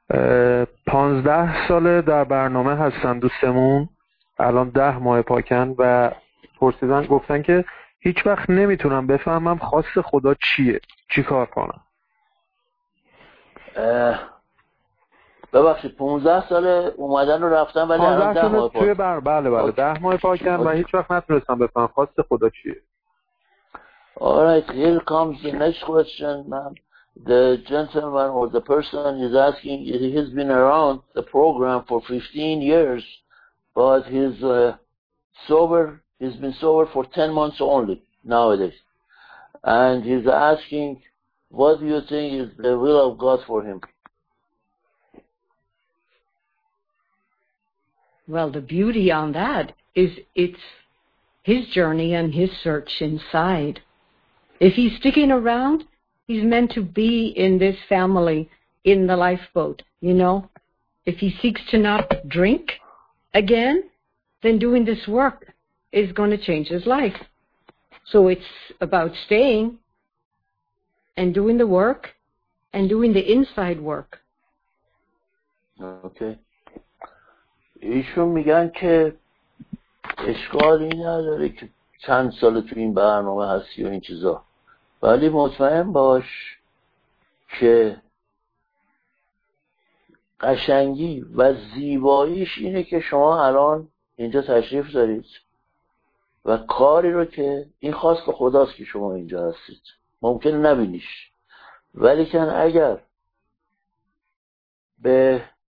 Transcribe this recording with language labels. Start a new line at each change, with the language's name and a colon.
Persian: 15 ساله در برنامه هستن دوستمون، الان 10 ماه پاکن و پرسیدن، گفتن که هیچ وقت نمیتونم بفهمم خاص خدا چیه، چی کار کنم؟ ببخشید 15 ساله اومدن و رفتن ولی الان 10 ماه پاکن. بله بله 10 ماه پاکن و هیچ وقت نتونستم بفهمم خاص خدا چیه.
English: Alright, here comes the next question, ma'am. The gentleman or the person is asking, he's been around the program for 15 years, but he's sober, he's been sober for 10 months only nowadays. And he's asking, what do you think is the will of God for him? Well, the beauty on that is it's his journey and his search inside. If he's sticking around, he's meant to be in this family, in the lifeboat, you know? If he seeks to not drink again, then doing this work is going to change his life. So it's about staying and doing the work and doing the inside work okay.
Persian: ایشون میگن که اشکالی نداره که چند سال تو این برنامه هستی و این چیزا، ولی مطمئن باش که قشنگی و زیباییش اینه که شما الان اینجا تشریف دارید و کاری رو که این خواست خداست که شما اینجا هستید، ممکن نبینیش، ولی که اگر به